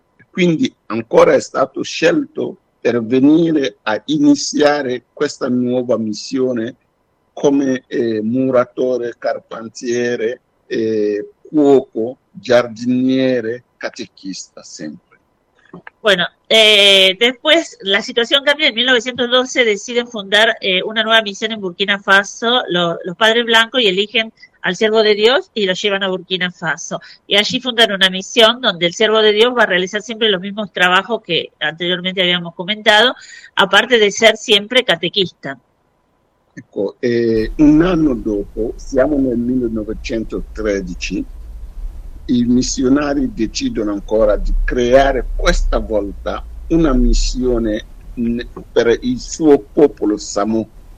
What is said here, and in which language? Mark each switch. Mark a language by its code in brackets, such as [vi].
[it] quindi ancora è stato scelto per venire a iniziare questa nuova missione come muratore, carpentiere, cuoco, giardiniere, catechista sempre. [es] Bueno, después la situación cambia. En 1912 deciden fundar una nueva misión en Burkina Faso, los padres blancos, y eligen al siervo de Dios y lo llevan a Burkina Faso. Y allí fundan una misión donde el siervo de Dios va a realizar siempre los mismos trabajos que anteriormente habíamos comentado, aparte de ser siempre catequista. [it] Ecco, [es] un año [it] dopo, siamo nel 1913, i missionari decidono ancora di creare questa volta una missione per il suo popolo Samo,